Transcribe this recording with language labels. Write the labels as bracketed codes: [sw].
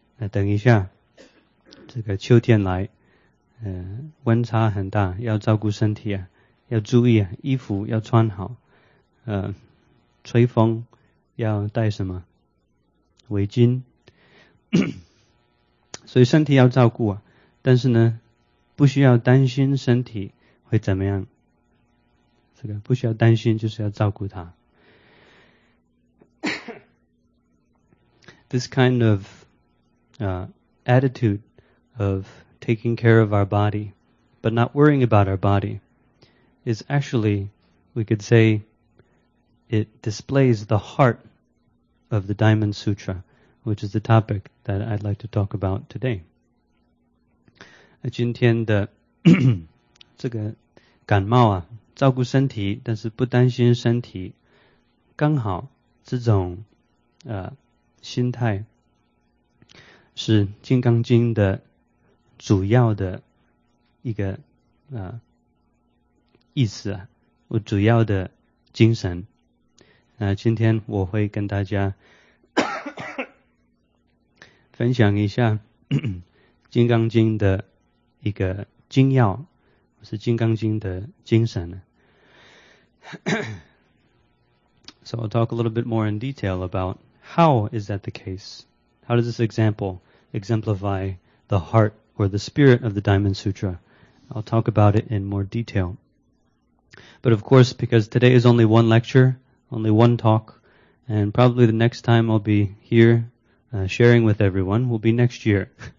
[zh] 等一下，这个秋天来，温差很大，要照顾身体啊，要注意啊，衣服要穿好，吹风要带什么围巾所以身体要照顾啊，但是呢，不需要担心身体会怎么样。这个不需要担心，就是要照顾他。 [en] This kind of attitude of taking care of our body, but not worrying about our body, is actually, we could say, it displays the heart of the Diamond Sutra, which is the topic that I'd like to talk about today. [zh] 今天的这个感冒啊，照顾身体，但是不担心身体，刚好这种心态是《金刚经》的主要的一个意思啊，我主要的精神。今天我会跟大家分享一下《金刚经》的一个精要，是《金刚经》的精神呢。 [en] So I'll talk a little bit more in detail about how is that the case? How does this example exemplify the heart or the spirit of the Diamond Sutra? I'll talk about it in more detail. But of course, because today is only one lecture, only one talk, and probably the next time I'll be here sharing with everyone will be next year.